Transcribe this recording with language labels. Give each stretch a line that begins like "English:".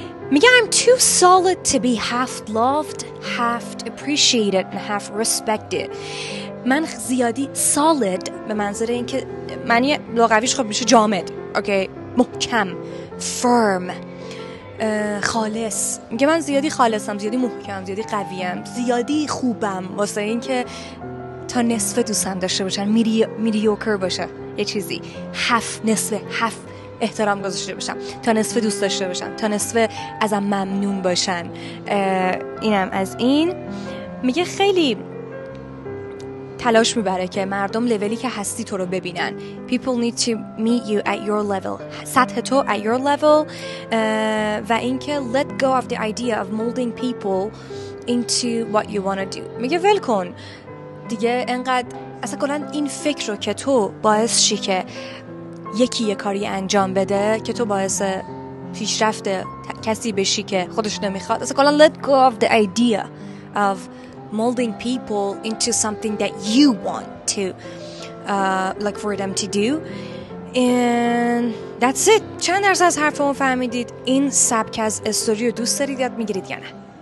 English: میگه I'm too solid to be half loved, half appreciated and half respected.
Persian: من زیادی solid به منظور این که معنی لغویش خب میشه جامد، اوکی، محکم، firm، خالص. میگه من زیادی خالصم، زیادی محکم، زیادی قویم، زیادی خوبم واسه این که تا نصف دوستم داشته باشن، میدیوکر باشه یه چیزی، half، نصف، half احترام گذاشته باشم، تا نصف دوست داشته باشم، تا نصف ازم ممنون باشن. اینم از این. میگه خیلی تلاش میبره که مردم لولی که هستی تو رو ببینن.
English: People need to meet you at your level.
Persian: سطح تو
English: at your level.
Persian: و اینکه
English: let go of the idea of molding people into what you want to do.
Persian: میگه ول کن دیگه انقدر اصلا کلا این فکر رو که تو باعث شی که یکی یه کاری انجام بده که تو باعث پیشرفت کسی بشی که خودش نمیخواد. اصلا کلا
English: let go of the idea of molding people into something that you want to like for them to do. And that's it.
Persian: چند درصد از حرفمو فهمیدید؟ این سبک از استوریو دوست دارید یاد میگیرید یا نه؟